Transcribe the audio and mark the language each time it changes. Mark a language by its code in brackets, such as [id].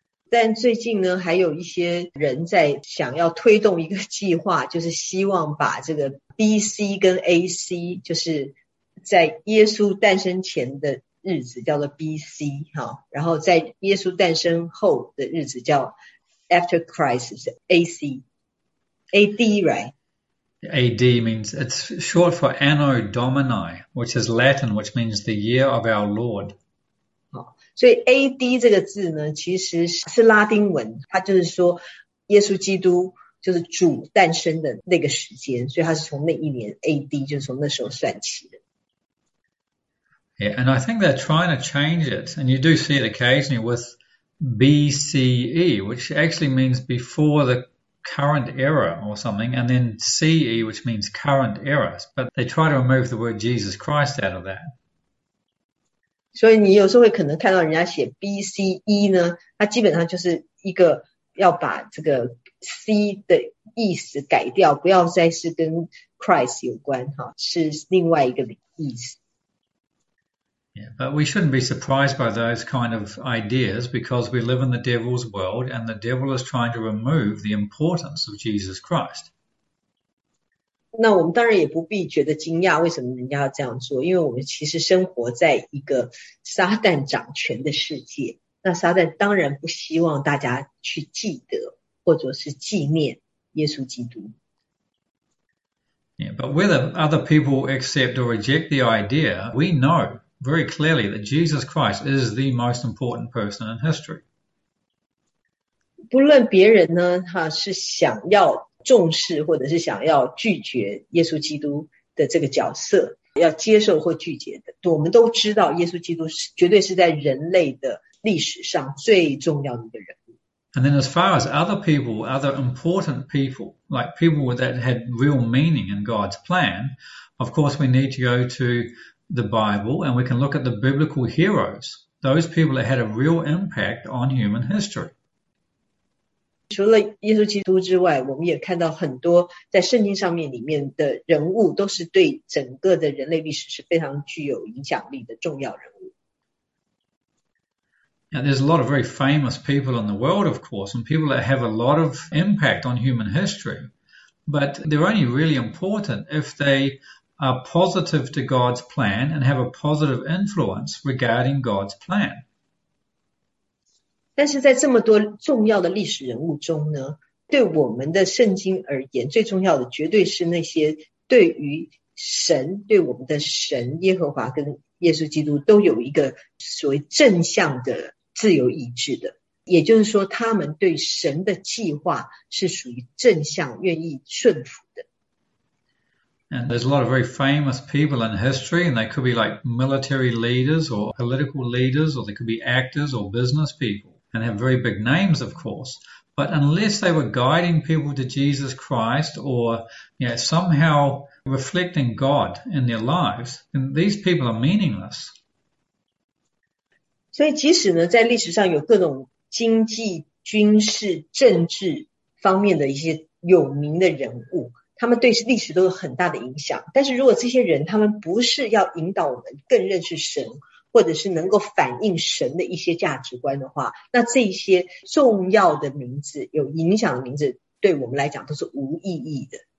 [zh] 但最近呢，还有一些人在想要推动一个计划，就是希望把这个 BC 跟 AC，就是在耶稣诞生前的日子叫做 BC 哈，然后在耶稣诞生后的日子叫 [en] After Christ [zh] 是 AD， [en] right？ AD means it's short for Anno Domini, which is Latin, which means the year of our Lord. [zh] 所以 AD 这个字呢，其实是拉丁文，它就是说耶稣基督就是主诞生的那个时间，所以它是从那一年 AD 就是从那时候算起的。 [en] Yeah, and I think they're trying to change it, and you do see it occasionally with BCE, which actually means before the current era or something, and then CE, which means current eras, but they try to remove the word Jesus Christ out of that. [zh] 所以你有时候会可能看到人家写 BCE 呢，它基本上就是一个要把这个 C 的意思改掉，不要再是跟 Christ 有关哈，是另外一个意思。 [en] But we shouldn't be surprised by those kind of ideas because we live in the devil's world and the devil is trying to remove the importance of Jesus Christ. [zh] 那我们当然也不必觉得惊讶，为什么人家要这样做？因为我们其实生活在一个撒旦掌权的世界，那撒旦当然不希望大家去记得或者是纪念耶稣基督。 [en] Yeah, but whether other people accept or reject the idea, we know. Very clearly, that Jesus Christ is the most important person in history. [zh] 不论别人呢，他是想要重视，或者是想要拒绝耶稣基督的这个角色，要接受或拒绝的，我们都知道耶稣基督是绝对是在人类的历史上最重要的一个人物。 [en] And then, as far as other important people, like people that had real meaning in God's plan, of course, we need to go to the Bible, and we can look at the biblical heroes, those people that had a real impact on human history. [zh] 除了耶稣基督之外，我们也看到很多在圣经上面里面的人物，都是对整个的人类历史是非常具有影响力的重要人物。 [en] Now, there's a lot of very famous people in the world, of course, and people that have a lot of impact on human history, but they're only really important if they are positive to God's plan and have a positive influence regarding God's plan. [zh] 但是在这么多重要的历史人物中呢，对我们的圣经而言，最重要的绝对是那些对于神、对我们的神耶和华跟耶稣基督都有一个所谓正向的自由意志的，也就是说，他们对神的计划是属于正向、愿意顺服的。 [en] And there's a lot of very famous people in history, and they could be like military leaders or political leaders, or they could be actors or business people and have very big names, of course. But unless they were guiding people to Jesus Christ or, you know, somehow reflecting God in their lives, then these people are meaningless. [zh] 所以，即使呢，在历史上有各种经济、军事、政治方面的一些有名的人物，他们对历史都有很大的影响。但是如果这些人他们不是要引导我们更认识神，或者是能够反映神的一些价值观的话，那这些重要的名字、有影响的名字，对我们来讲都是无意义的。